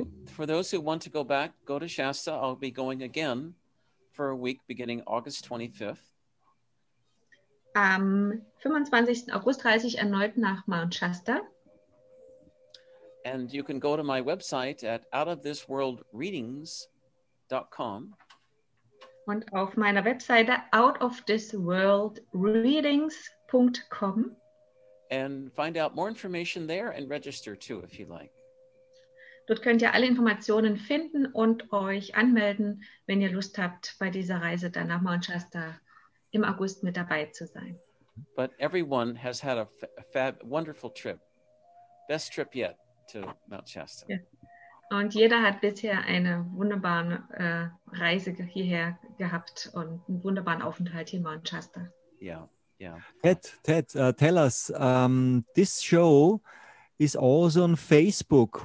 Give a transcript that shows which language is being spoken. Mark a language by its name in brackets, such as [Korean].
[English] for those who want to go back, go to Shasta. I'll be going again for a week beginning August 25th. [German] Am 25. August reise ich erneut nach Mount Shasta. [English] And you can go to my website at outofthisworldreadings.com. [German] Und auf meiner Webseite outofthisworldreadings.com. [English] And find out more information there and register too, if you like. [German] Dort könnt ihr alle Informationen finden und euch anmelden, wenn ihr Lust habt, bei dieser Reise dann nach Mount Shasta im August mit dabei zu sein. [English] But everyone has had a wonderful trip. Best trip yet to Mount Shasta. Yeah. [German] Und jeder hat bisher eine wunderbare Reise hierher gehabt und einen wunderbaren Aufenthalt hier in Mount Shasta. Yeah. [English] Ted, tell us, this show is also on Facebook.